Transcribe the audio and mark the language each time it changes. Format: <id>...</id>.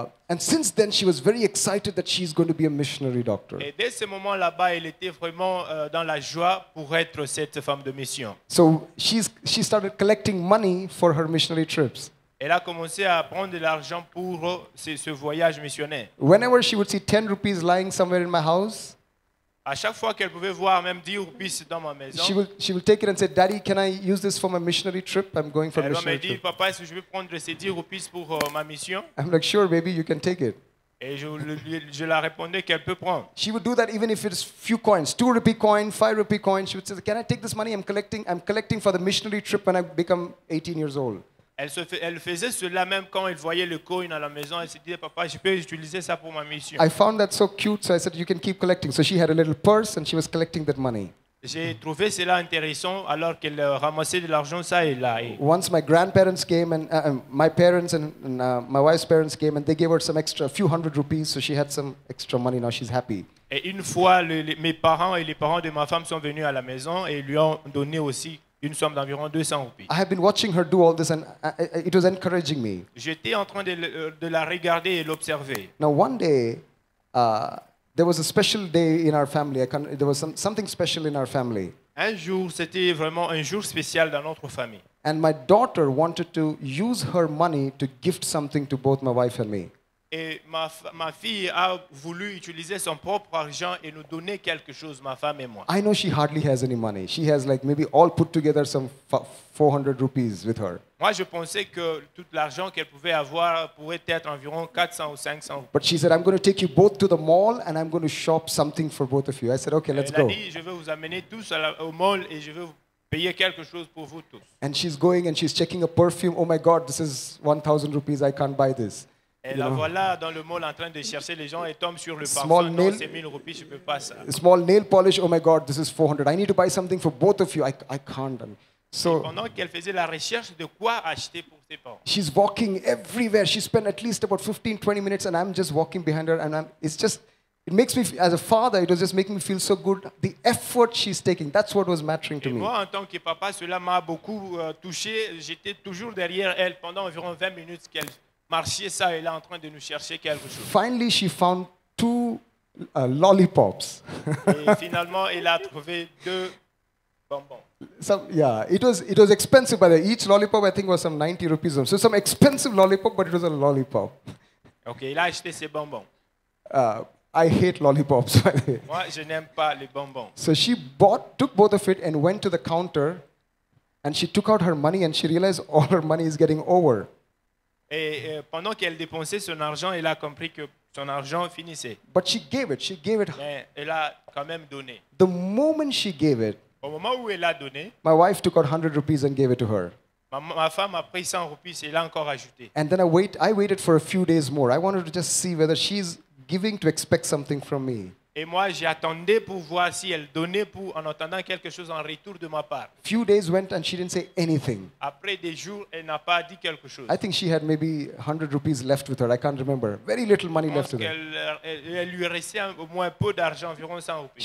<en>And since then, she was very excited that she's going to be a missionary doctor.</en> <fr>Et dès ce moment là-bas, elle était vraiment dans la joie pour être cette femme de mission.</fr> <en>So she started collecting money for her missionary trips.</en> <fr>Elle a commencé à prendre de l'argent pour ce voyage missionnaire.</fr> <en>Whenever she would see 10 rupees lying somewhere in my house,</en> <fr>à chaque fois qu'elle pouvait voir même 10 rupees dans ma maison,</fr> <en>she will take it and say, Daddy, can I use this for my missionary trip? I'm going for a missionary trip.</en> <fr>Elle m'a dit, Papa, est-ce que je vais prendre ces 10 rupees pour ma mission?</fr> <en>I'm like, sure, baby, you can take it.</en> <fr>Et je la répondais qu'elle peut prendre.</fr> <en>She would do that even if it's few coins, 2 rupee coin, 5 rupee coin. She would say, can I take this money? I'm collecting for the missionary trip when I become 18 years old.</en> <fr>Elle faisait cela même quand elle voyait le coin à la maison. Elle se disait, Papa, je peux utiliser ça pour ma mission.</fr> <en>I found that so cute, so I said, you can keep collecting. So she had a little purse and she was collecting that money.</en> <fr>J'ai trouvé cela intéressant alors qu'elle ramassait de l'argent ça et là.</fr> <en>Once my grandparents came and my parents and my wife's parents came and they gave her some extra, a few hundred rupees, so she had some extra money. Now she's happy.</en> <fr>Et une fois, mes parents et les parents de ma femme sont venus à la maison et lui ont donné aussi une somme d'environ 200 rupees.</fr> <en>I have been watching her do all this and it was encouraging me.</en> <fr>J'étais en train de la regarder et l'observer.</fr> <en>Now one day, there was a special day in our family. There was something special in our family.</en> <fr>Un jour, c'était vraiment un jour spécial dans notre famille.</fr> <en>And my daughter wanted to use her money to gift something to both my wife and me.</en> <fr>Et ma fille a voulu utiliser son propre argent et nous donner quelque chose, ma femme et moi.</fr> <en>I know she hardly has any money. She has like maybe all put together some 400 rupees with her.</en> <fr>Moi, je pensais que tout l'argent qu'elle pouvait avoir pourrait être environ 400 ou 500 rupees.</fr> <en>But she said, I'm going to take you both to the mall and I'm going to shop something for both of you. I said, okay, let's go.</en> <fr>Elle a dit, je vais vous amener tous au mall et je vais vous payer quelque chose pour vous tous.</fr> <en>And she's going and she's checking a perfume. Oh my God, this is 1,000 rupees. I can't buy this.</en> <fr>Et la voilà dans le mall en train de chercher les gens et tombe sur le parfum. Non, c'est 1000 rupees, je peux pas ça.</fr> <en>Small nail polish, oh my God, this is 400. I need to buy something for both of you. I can't. So,</en> <fr>pendant qu'elle faisait la recherche de quoi acheter pour ses parents.</fr> <en>She's walking everywhere. She spent at least about 15-20 minutes and I'm just walking behind her. And it makes me, as a father, it was just making me feel so good. The effort she's taking, that's what was mattering to me.</en> <fr>Et moi, en tant que papa, cela m'a beaucoup touché. J'étais toujours derrière elle pendant environ 20 minutes qu'elle marchait ça et là en train de nous chercher quelque chose.</fr> <en>Finally, she found two lollipops.</en> <fr>Et finalement, elle a trouvé deux bonbons.</fr> <en>It was expensive, but each lollipop I think was some 90 rupees. So some expensive lollipop, but it was a lollipop.</en> <fr>Okay, elle a acheté ses bonbons.</fr> <en>I hate lollipops.</en> <fr>Moi, je n'aime pas les bonbons.</fr> <en>So she took both of it and went to the counter, and she took out her money and she realized all her money is getting over.</en> <fr>Et pendant qu'elle dépensait son argent, elle a compris que son argent finissait.</fr> <en>But she gave it. She gave it.</en> <fr>Mais elle a quand même donné.</fr> <en>The moment she gave it,</en> <fr>au moment où elle a donné,</fr> <en>my wife took out 100 rupees and gave it to her.</en> <fr>Ma femme a pris 100 rupees et l'a encore ajouté.</fr> <en>And then I waited for a few days more. I wanted to just see whether she's giving to expect something from me.</en> <fr>Et moi, j'attendais pour voir si elle donnait pour en attendant quelque chose en retour de ma part.</fr> <en>Few days went and she didn't say anything.</en> <fr>Après des jours, elle n'a pas dit quelque chose.</fr> <en>I think she had maybe 100 rupees left with her. I can't remember. Very little money left with her.</en> <fr>Elle lui restait au moins peu d'argent, environ 100 rupees.</fr>